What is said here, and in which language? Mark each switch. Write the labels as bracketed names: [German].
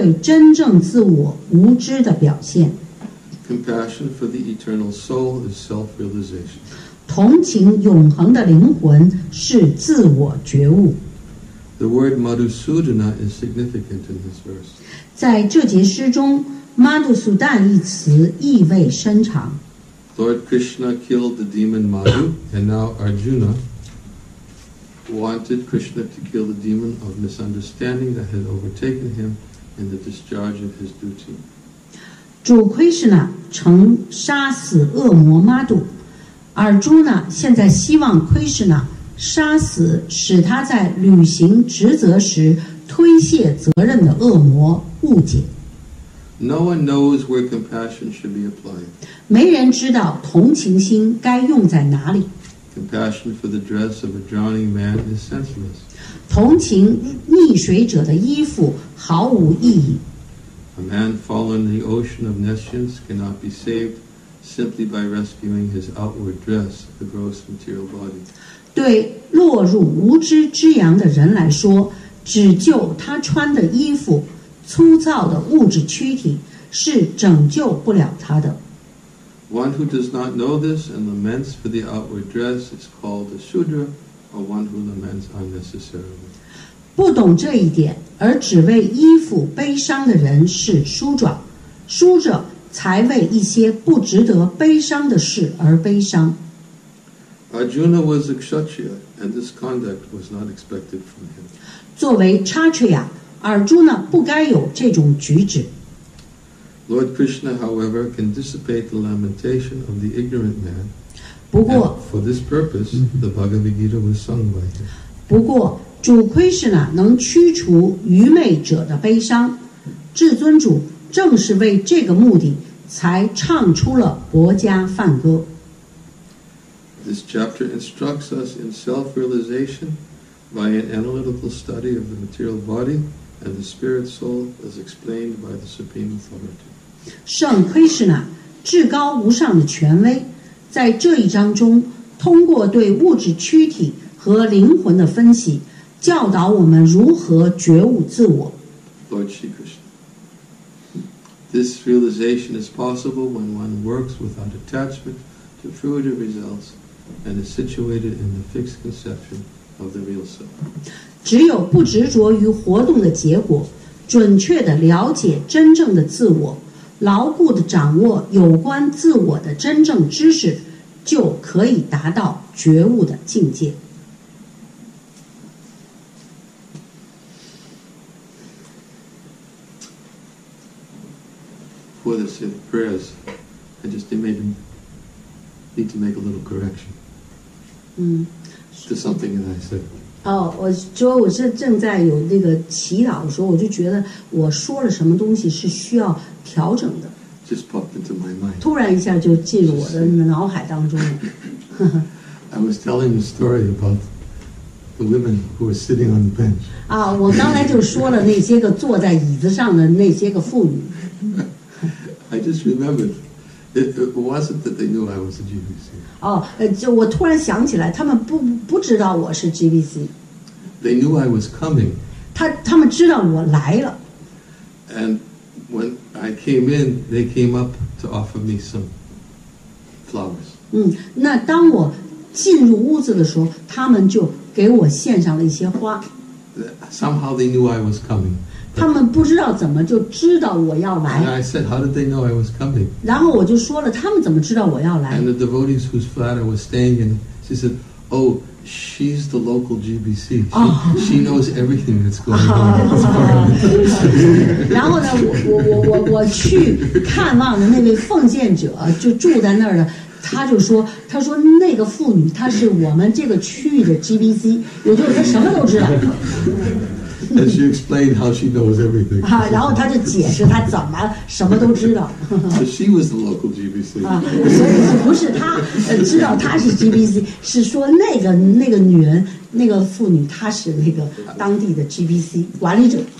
[Chinese] 要指物质层面的同情,哀伤和泪水,是对真正自我无知的表现。 [English] Compassion for the eternal soul is self-realization. [Chinese] 同情永恒的灵魂是自我觉悟。 [English] The word Madhusudana is significant in this verse. [Chinese] 在这节诗中 ，Madhusudana 一词意味深长。 [English] Lord Krishna killed the demon Madhu, and now Arjuna wanted Krishna to kill the demon of misunderstanding that had overtaken him in the discharge of his duty. [Chinese] 主 Krishna 曾杀死恶魔 Madhu， Arjuna 现在希望 Krishna 杀死使他在履行职责时推卸责任的恶魔误解。 [English] No one knows where compassion should be applied. [Chinese] 没人知道同情心该用在哪里。 [English] Compassion for the dress of a drowning man is senseless. [Chinese] 同情溺水者的衣服毫无意义。 [English] A man fallen in the ocean of nescience cannot be saved simply by rescuing his outward dress, a gross material body. [Chinese] 对落入无知之洋的人来说，只救他穿的衣服。粗糙的物质躯体是拯救不了他的。 [English] One who does not know this and laments for the outward dress is called a Shudra, or one who laments unnecessarily. [Chinese] 不懂这一点而只为衣服悲伤的人是梳者，梳者才为一些不值得悲伤的事而悲伤。 [English] Arjuna was a Kshatriya, and this conduct was not expected from him. [Chinese] 作为 Kshatriya。Arjuna 不该有这种举止。 [English] Lord Krishna, however, can dissipate the lamentation of the ignorant man. [Chinese] 不过 [English] ，for this purpose, the Bhagavad Gita was sung by him. [Chinese] 不过，主 Krishna 能驱除愚昧者的悲伤，至尊主正是为这个目的才唱出了薄伽梵歌。 [English] This chapter instructs us in self-realization. By an analytical study of the material body and the spirit soul, as explained by the supreme authority. [Chinese] 圣 Krishna 至高无上的权威，在这一章中，通过对物质躯体和灵魂的分析，教导我们如何觉悟自我。 [English] Lord Shri Krishna, this realization is possible when one works without attachment to fruitive results and is situated in the fixed conception. Of the real self. [Chinese] 只有不执着于活动的结果，准确地了解真正的自我，牢固地掌握有关自我的真正知识，就可以达到觉悟的境界。 [English] For the sake of prayers, I just maybe need to make a little correction. To something that I said. [Chinese] 哦，我主要我是正在有那个祈祷的时候，我就觉得我说了什么东西是需要调整的。 [English] Just popped into my mind. [Chinese] 突然一下就进入我的脑海当中了。 [English] I was telling a story about the women who were sitting on the bench. [Chinese] 啊，我刚才就说了那些个坐在椅子上的那些个妇女。 [English] I just remembered. It wasn't that they knew I was a GBC. [Chinese] 哦，就我突然想起来，他们不知道我是 GBC. [English] They knew I was coming. [Chinese] 他们知道我来了。 [English] And when I came in, they came up to offer me some flowers. [Chinese] 那当我进入屋子的时候，他们就给我献上了一些花。 [English] Somehow they knew I was coming. [Chinese] 他们不知道怎么就知道我要来。 [English] I said, "How did they know I was coming?" [Chinese] 然后我就说了，他们怎么知道我要来 [English] ？And the devotees whose flat I was staying in, she said, "Oh, she's the local GBC. She knows everything that's going on." [Chinese] 然后呢，我去看望的那位奉献者就住在那儿的，他就说，他说那个妇女她是我们这个区域的 GBC， 也就是她什么都知道。 [English] And she explained how she knows everything. [Chinese] 啊，然后他就解释他怎么什么都知道。 [English] So she was the local GBC. [Chinese] 啊，所以不是他知道他是 GBC， 是说那个女人那个妇女她是那个当地的 GBC 管理者。